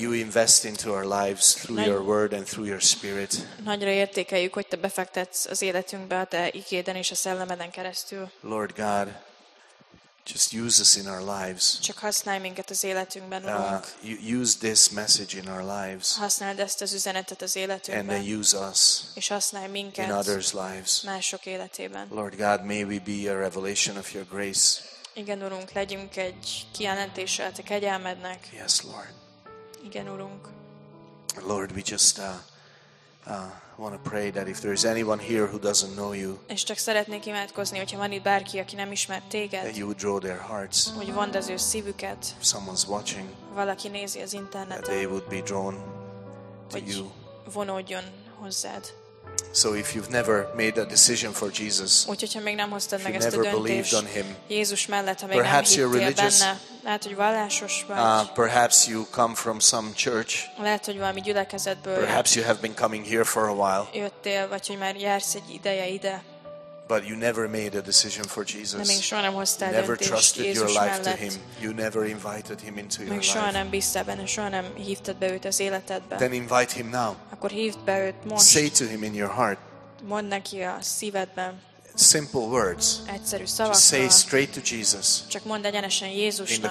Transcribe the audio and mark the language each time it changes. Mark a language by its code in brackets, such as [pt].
[en] you invest into our lives through your word and through your spirit. [hu] Nagyra értékeljük, hogy te befektetsz az életünkbe, a te igéden és a szellemeden keresztül. [en] Lord God, just use us in our lives. [hu] Csak használj minket az életünkben, Urunk. [en] Use this message in our lives. [hu] Használd ezt az üzenetet az életünkben. [en] And then use us. [hu] És használj minket. [en] In others' lives. [hu] Mások életében. [en] Lord God, may we be a revelation of your grace. [hu] Igen, Urunk, legyünk egy kijelentése a te kegyelmednek. [en] Yes, Lord. [hu] Igen, Urunk. [en] Lord, we just want to pray that if there is anyone here who doesn't know you, [hu] és csak szeretnék imádkozni, hogyha van itt bárki, aki nem ismer téged, [en] that you would draw their hearts, [hu] hogy vondd az ő szívüket, [en] if someone's watching, [hu] valaki nézi az interneten, [en] that they would be drawn to you, [hu] vonódjon hozzád. [en] So if you've never made a decision for Jesus, [hu] úgyhogy ha még nem hoztad meg ezt a döntést, [en] never believed on him, [hu] Jézus mellett, ha még nem hittél benne, lehet, hogy vallásos vagy. [en] Perhaps you come from some church. [hu] Lehet, hogy valami gyülekezetből. [en] Perhaps you have been coming here for a while. [hu] Jöttél, vagy hogy már jársz egy ideje ide. [en] But you never made a decision for Jesus. [hu] De még soha nem hoztál döntést Jézus mellett. [en] Never trusted your life to him. You never invited him into your life. [hu] Még soha nem bíztál benne, soha nem hívtad be őt az életedbe. [en] Then invite him now. [hu] Akkor hívd be őt most. [en] Say to him in your heart. [hu] Mondd neki a szívedben. [en] Simple words. [hu] Egyszerű szavakkal. [en] Just say straight to Jesus. [hu] Csak mondd egyenesen Jézusnak.